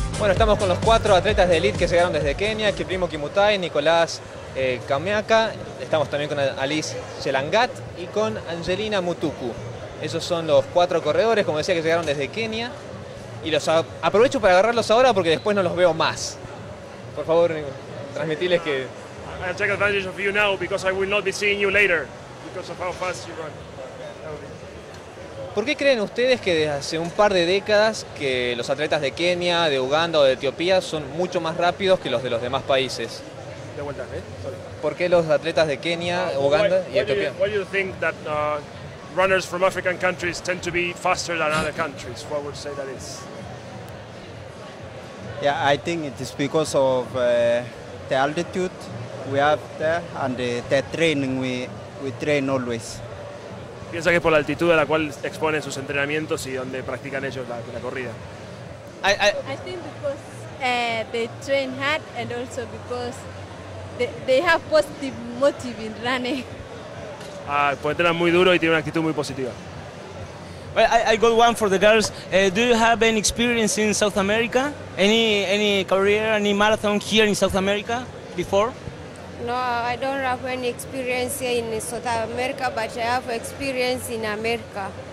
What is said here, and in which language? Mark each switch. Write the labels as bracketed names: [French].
[Spanish] estamos con los cuatro atletas de élite que llegaron desde Kenia, Kiprimo Kimutai, Nicolás Kamiaka, estamos también con Alice Chelangat y con Angelina Mutuku. Esos son los cuatro corredores, como decía, que llegaron desde Kenia. Y los aprovecho para agarrarlos ahora porque después no los veo más. Por favor, transmitiles que... [English] I'm going to take advantage of you now because I will not be seeing you later because of how fast you run. [Spanish] ¿Por qué creen ustedes que desde hace un par de décadas que los atletas de Kenia, de Uganda o de Etiopía son mucho más rápidos que los de los demás países? De vuelta, sorry. ¿Por qué los atletas de Kenia, Uganda y Etiopía? [English] Why do you think that runners from African countries tend to be faster than other countries? What would you say that is? Yeah, I think it is because of the altitude we have there and the training we train always. [Spanish] ¿Piensa que es por la altitud a la cual exponen sus entrenamientos y donde practican ellos la corrida? [English] I think because they train hard and also because they have positive motive in running. [Spanish] Ah, pues entrenan muy duro y tienen una actitud muy positiva. [English] Well, I got one for the girls. Do you have any experience in South America? Any career, any marathon here in South America before? No, I don't have any experience here in South America, but I have experience in America.